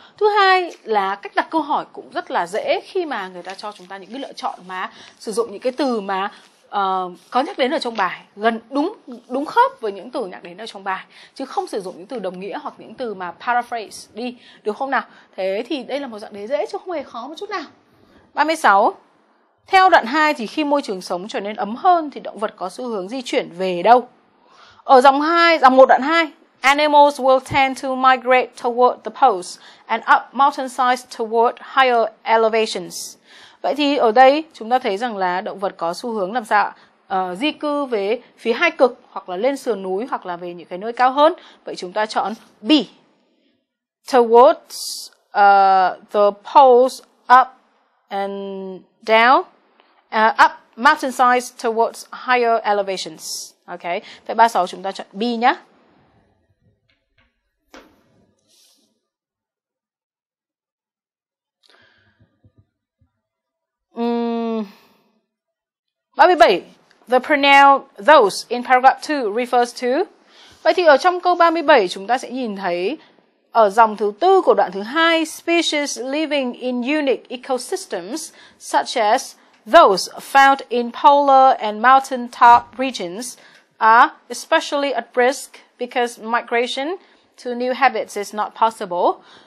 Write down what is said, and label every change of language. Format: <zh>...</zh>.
<vi>Thứ hai là cách đặt câu hỏi cũng rất là dễ khi mà người ta cho chúng ta những cái lựa chọn mà sử dụng những cái từ mà có nhắc đến ở trong bài, gần đúng khớp với những từ nhắc đến ở trong bài, chứ không sử dụng những từ đồng nghĩa hoặc những từ mà paraphrase đi, được không nào? Thế thì đây là một dạng đề dễ chứ không hề khó một chút nào. 36. Theo đoạn 2 thì khi môi trường sống trở nên ấm hơn thì động vật có xu hướng di chuyển về đâu? Ở dòng 1 đoạn 2,</vi> <en>animals will tend to migrate toward the poles and up mountain sides toward higher elevations.</en> <vi>Vậy thì ở đây chúng ta thấy rằng là động vật có xu hướng làm sao? Di cư về phía hai cực hoặc là lên sườn núi hoặc là về những cái nơi cao hơn. Vậy chúng ta chọn B. Towards</vi> <en>the poles up and down, up mountain sides towards higher elevations.</en> <vi>Okay, phép 36 chúng ta chọn B nhé. Bài 37,</vi> <en>the pronoun those in paragraph 2 refers to.</en> <vi>Vậy thì ở trong câu 37 chúng ta sẽ nhìn thấy ở dòng thứ tư của đoạn thứ hai,</vi> <en>species living in unique ecosystems such as those found in polar and mountain top regions are especially at risk because migration to new habits is not possible.</en>